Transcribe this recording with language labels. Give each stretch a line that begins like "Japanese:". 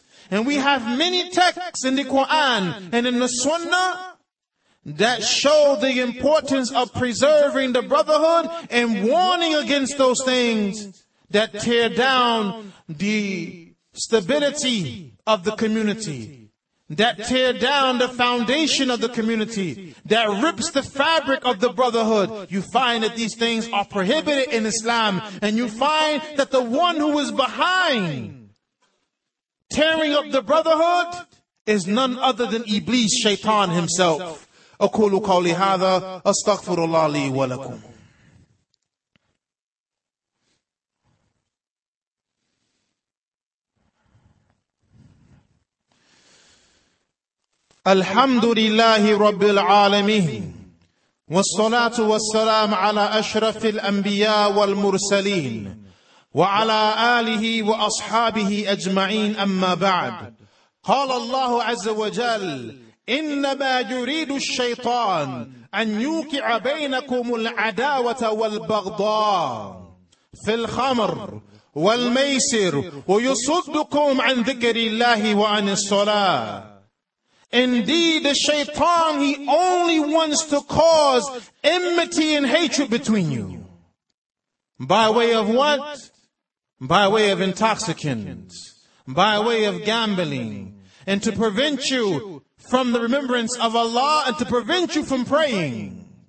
English: And we have many texts in the Quran and in the Sunnah that show the importance of preserving the brotherhood and warning against those things that tear down the stability of the community, that tear down the foundation of the community, that rips the fabric of the brotherhood. You find that these things are prohibited in Islam, and you find that the one who is behind tearing up the brotherhood is none other than Iblis, Shaitan himself.
Arabic: أقول قولي هذا أستغفر الله لي ولكم. الحمد لله رب العالمين والصلاة والسلام على أشرف الأنبياء والمرسلين وعلى آله وأصحابه أجمعين أما بعد قال الله عز وجل إنما يريد الشيطان أن يوقع بينكم العداوة والبغضاء في الخمر والميسر ويصدكم عن ذكر الله وعن الصلاة.
English: Indeed, the shaitan, he only wants to cause enmity and hatred between you. By way of what? By way of intoxicants, by way of gambling, and to prevent you from the remembrance of Allah and to prevent you from praying.